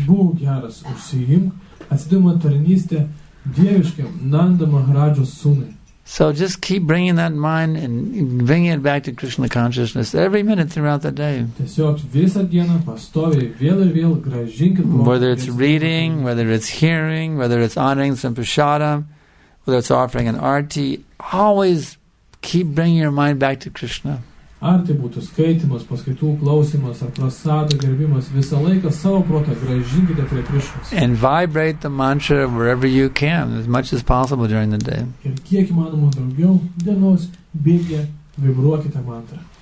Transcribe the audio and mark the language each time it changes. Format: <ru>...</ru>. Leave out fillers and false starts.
<lt>Būk geras, užsiimk atsidėjimo tarnystę dieviškiam Nanda Maharajo sūnui.</lt> <en>So just keep bringing that mind and bringing it back to Krishna consciousness every minute throughout the day. Whether it's reading, whether it's hearing, whether it's honoring Sampashadam, whether it's offering an arti, always keep bringing your mind back to Krishna.</en> <lt>Ar tai būtų skaitimas, paskaitų klausimas, ar prasado gerbimas, visą laiką savo protą grąžinkite prie Krišnos.</lt> <en>And vibrate the mantra wherever you can, as much as possible during the day.</en> <lt>Ir kiek įmanoma daugiau dienos bėgę vibruokite mantrą.</lt>